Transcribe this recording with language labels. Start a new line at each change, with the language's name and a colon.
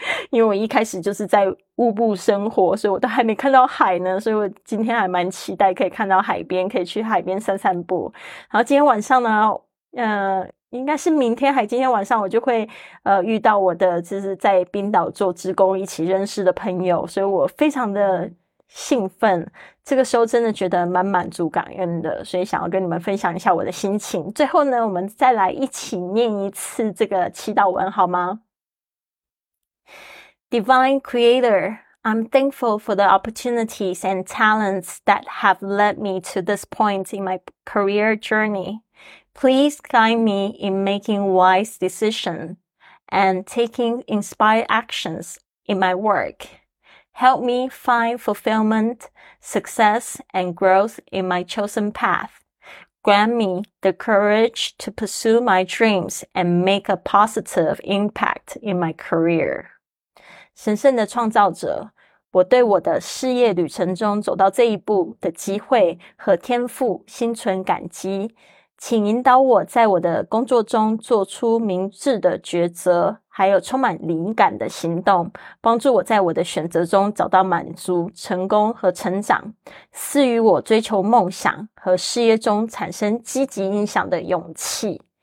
Chinese: 因为我一开始就是在乌布生活，所以我都还没看到海呢，所以我今天还蛮期待可以看到海边，可以去海边散散步。然后今天晚上呢应该是明天还今天晚上，我就会遇到我的就是在冰岛做志工一起认识的朋友，所以我非常的兴奋。这个时候真的觉得蛮满足感恩的，所以想要跟你们分享一下我的心情。最后呢，我们再来一起念一次这个祈祷文好吗？
English: Divine Creator, I'm thankful for the opportunities and talents that have led me to this point in my career journey. Please guide me in making wise decisions and taking inspired actions in my work. Help me find fulfillment, success, and growth in my chosen path. Grant me the courage to pursue my dreams and make a positive impact in my career.
Chinese: 神圣的创造者，我对我的事业旅程中走到这一步的机会和天赋心存感激。请引导我在我的工作中做出明智的抉择，还有充满灵感的行动，帮助我在我的选择中找到满足、成功和成长，赐予我追求梦想和事业中产生积极影响的勇气。